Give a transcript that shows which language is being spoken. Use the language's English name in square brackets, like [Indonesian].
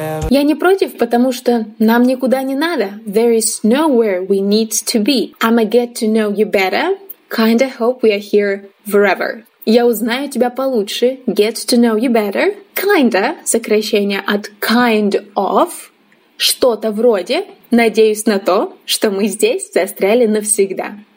[Russian] Я не против, потому что нам никуда не надо. [English] There is nowhere we need to be. I'ma get to know you better. Kinda hope we are here forever. [Russian] Я узнаю тебя получше. [English] Get to know you better. [Russian] Kinda, сокращение от kind of, что-то вроде. Надеюсь на то, что мы здесь застряли навсегда.